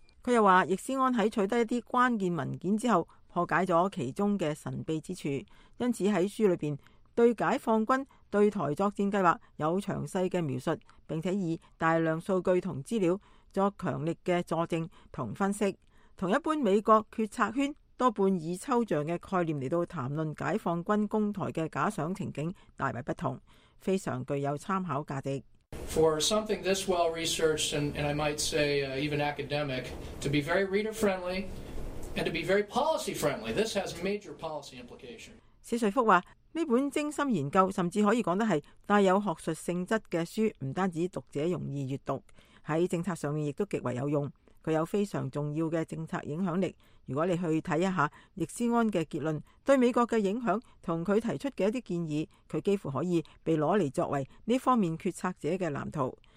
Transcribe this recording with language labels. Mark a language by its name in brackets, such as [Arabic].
[Chinese] 他又说易思安在取得一些关键文件之后破解了其中的神秘之处，因此在书里面对解放军对台作战计划有详细的描述，并且以大量数据和资料作强力的佐证和分析。同一般美国决策圈多半以抽象的概念来谈论解放军攻台的假想情景大为不同，非常具有参考价值。 [English] For something this well researched and I might say even academic, to be very reader friendly and to be very policy friendly, this has major policy implication. [Chinese] 史瑞福说，这本精心研究甚至可以说是带有学术性质的书，不单止读者容易阅读，在政策上也极为有用，具有非常重要的政策影响力。如果你去看一下易思安的结论对美国的影响和他提出的一些建议，他几乎可以被拿来作为这方面决策者的蓝图。